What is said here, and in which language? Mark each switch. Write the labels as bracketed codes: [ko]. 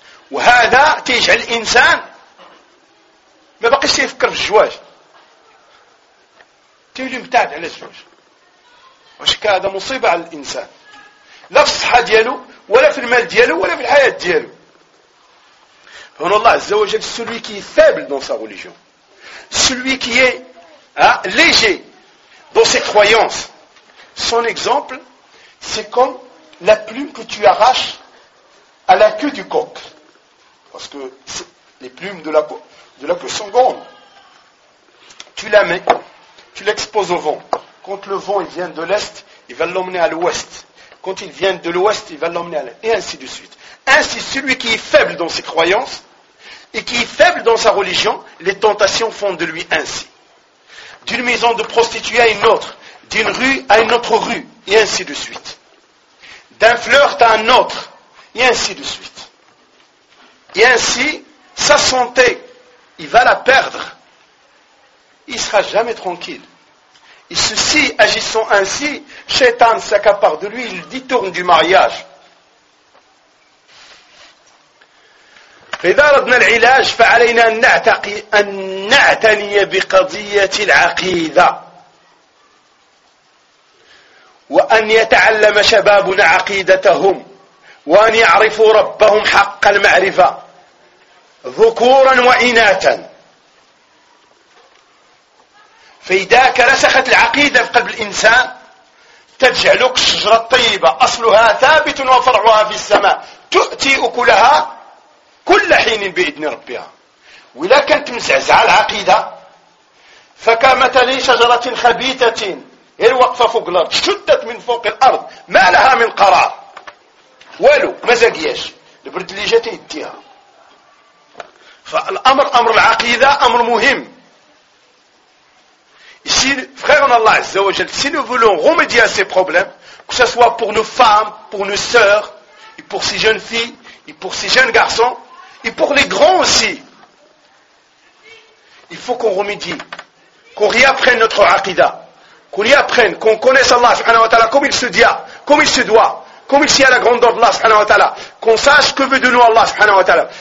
[ar] وهذا تيجعل الإنسان ما بقيش يفكر في الزواج، تيولي مبتعد على الزواج، واش هذا مصيبة على الإنسان، لا في الصحة ديالو ولا في المال ديالو ولا في الحياة ديالو. هنا الله عز وجل [fr] celui qui est faible dans sa religion, celui qui est léger dans ses croyances. Son exemple, c'est comme la plume que tu arraches à la queue du coq. Parce que les plumes de la queue sont grandes. Tu la mets, tu l'exposes au vent. Quand le vent il vient de l'est, il va l'emmener à l'ouest. Quand il vient de l'ouest, il va l'emmener à l'est. Et ainsi de suite. Ainsi, celui qui est faible dans ses croyances, et qui est faible dans sa religion, les tentations font de lui ainsi. D'une maison de prostituée à une autre, d'une rue à une autre rue, et ainsi de suite. D'un flirt à un autre, et ainsi de suite. Et ainsi, sa santé, il va la perdre. Il ne sera jamais tranquille. Et ceci, agissant ainsi, Shaitan s'accapare de lui, il détourne du mariage. [ar] فإذا أردنا العلاج فعلينا أن نعتني بقضية العقيدة وأن يتعلم شبابنا عقيدتهم وأن يعرفوا ربهم حق المعرفة ذكورا وإناثا. فإذا كرسخت العقيدة في قلب الإنسان تجعلك الشجرة الطيبة أصلها ثابت وفرعها في السماء تؤتي أكلها كل حين بإذن ربها. ولكن تمزعزع العقيدة فكمثل شجرة خبيثة هي الوقفة فوق الأرض شدت من فوق الأرض ما لها من قرار ولو مزقياش البرد اللي جات يديها. فالأمر أمر العقيدة أمر مهم. [fr] Ici, frères en Allah Azza wa Jal, si nous voulons remédier à ces problèmes, que ce soit pour nos femmes, pour nos sœurs, et pour ces jeunes filles, et pour ces jeunes garçons, et pour les grands aussi, il faut qu'on remédie, qu'on réapprenne notre aqida, qu'on réapprenne, qu'on connaisse Allah subhanahu wa ta'ala comme il se dit, comme il se doit, comme il sait à la grandeur d'Allah subhanahu wa ta'ala, qu'on sache que veut de nous Allah subhanahu wa ta'ala.